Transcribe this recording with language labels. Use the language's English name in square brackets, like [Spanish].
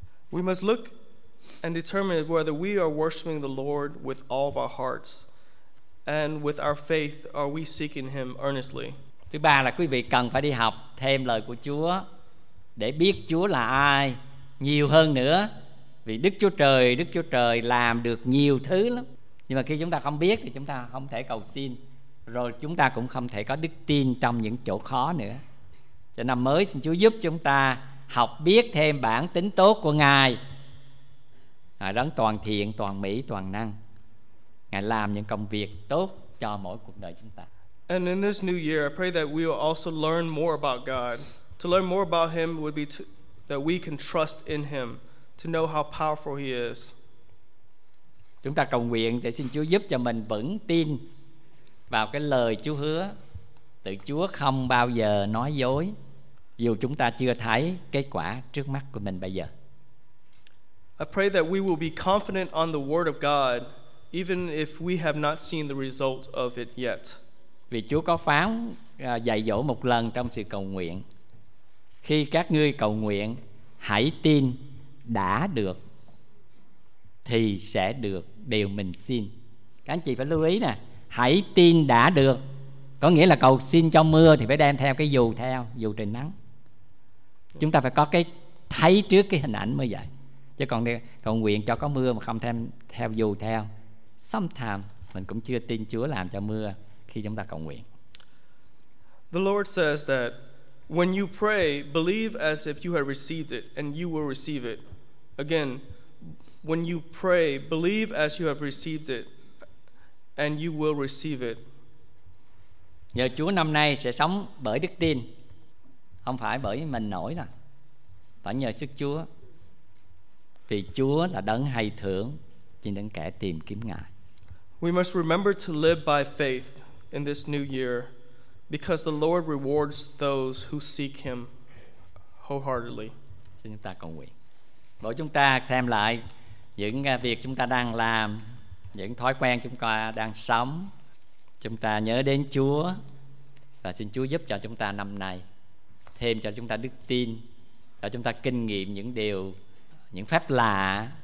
[English] We must look and determine whether we are worshiping the Lord with all of our hearts and with our faith, are we seeking him earnestly? [Vietnamese] Thứ ba là quý vị cần phải đi học thêm lời của Chúa để biết Chúa là ai nhiều hơn nữa. Vì Đức Chúa Trời làm được nhiều thứ lắm. Nhưng mà khi chúng ta không biết thì chúng ta không thể cầu xin, rồi chúng ta cũng không thể có đức tin trong những chỗ khó nữa. Cho năm mới xin Chúa giúp chúng ta học biết thêm bản tính tốt của Ngài, Ngài đấng toàn thiện, toàn mỹ, toàn năng. Ngài làm những công việc tốt cho mỗi cuộc đời chúng ta. [English] And in this new year, I pray that we will also learn more about God. To learn more about him would be that we can trust in him, to know how powerful he is. [Vietnamese] Chúng ta cầu nguyện để xin Chúa giúp cho mình vững tin vào cái lời Chúa hứa. Tự Chúa không bao giờ nói dối, dù chúng ta chưa thấy kết quả trước mắt của mình bây giờ. [English] I pray that we will be confident on the word of God, even if we have not seen the result of it yet. [Vietnamese] Vì Chúa có phán dạy dỗ một lần trong sự cầu nguyện: khi các ngươi cầu nguyện, hãy tin đã được thì sẽ được điều mình xin. Các anh chị phải lưu ý nè, hãy tin đã được có nghĩa là cầu xin cho mưa thì phải đem theo cái dù, theo dù trời nắng. Chúng ta phải có cái thấy trước cái hình ảnh mới vậy. Chứ còn cầu nguyện cho có mưa mà không thêm theo dù theo, sometimes mình cũng chưa tin Chúa làm cho mưa khi chúng ta cầu nguyện. [English] The Lord says that when you pray, believe as if you had received it and you will receive it. Again, when you pray, believe as you have received it and you will receive it. [Vietnamese] Nhờ Chúa năm nay sẽ sống bởi đức tin, không phải bởi mình nổi đâu, phải nhờ sức Chúa. Vì Chúa là đấng hay thưởng cho những kẻ tìm kiếm Ngài. [English] We must remember to live by faith in this new year, because the Lord rewards those who seek him wholeheartedly. [Vietnamese] Xin chúng ta cầu nguyện. Mỗi chúng ta xem lại những việc chúng ta đang làm, những thói quen chúng ta đang sống. Chúng ta nhớ đến Chúa và xin Chúa giúp cho chúng ta năm này thêm cho chúng ta đức tin, cho chúng ta kinh nghiệm những điều, những phép lạ